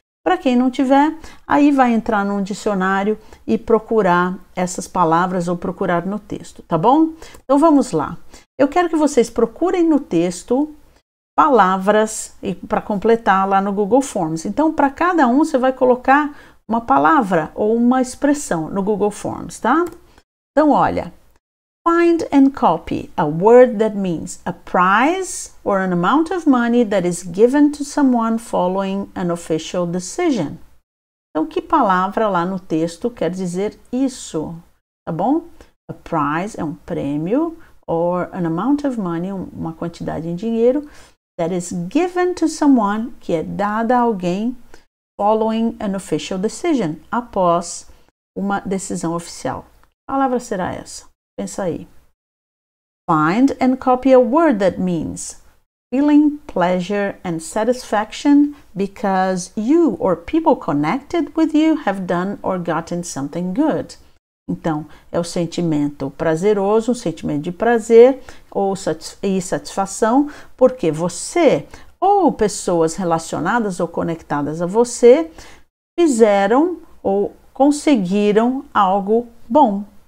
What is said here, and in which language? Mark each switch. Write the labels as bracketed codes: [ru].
[pt] Para quem não tiver, aí vai entrar num dicionário e procurar essas palavras ou procurar no texto, tá bom? Então, vamos lá. Eu quero que vocês procurem no texto palavras e para completar lá no Google Forms. Então, para cada um, você vai colocar uma palavra ou uma expressão no Google Forms, tá? Então, olha. [en] Find and copy a word that means a prize or an amount of money that is given to someone following an official decision. [pt] Então, que palavra lá no texto quer dizer isso, tá bom? [en] A prize [pt] é um prêmio [en] or an amount of money, [pt] uma quantidade em dinheiro, [en] that is given to someone, [pt] que é dada a alguém, [en] following an official decision, [pt] após uma decisão oficial. Que palavra será essa? Pensa aí. [en] Find and copy a word that means feeling pleasure and satisfaction because you or people connected with you have done or gotten something good. [pt] Então, é o sentimento prazeroso, um sentimento de prazer ou satisfação, porque você ou pessoas relacionadas ou conectadas a você fizeram ou conseguiram algo bom.